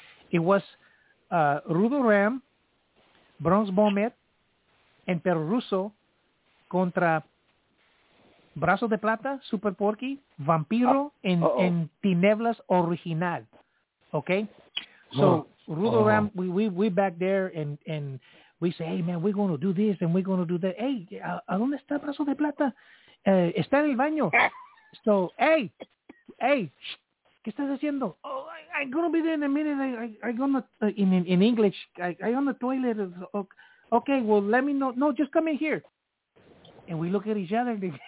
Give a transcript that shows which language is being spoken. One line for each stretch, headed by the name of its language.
English: It was Rudo Ram, Bronze Bomber, and Perro Russo contra Brazo de Plata, Super Porky, Vampiro, and Tinieblas Original. Okay, so Rudo Ram, we back there and we say, hey man, we're gonna do this and we're gonna do that.
Spanish: Hey, ¿a dónde está Brazo de Plata? Está en el baño.
English: So, hey,
Spanish: ¿qué estás haciendo?
English: Oh, I'm going to be there in a minute. In English, I'm on the toilet. Okay, well, let me know. No, just come in here. And we look at each other.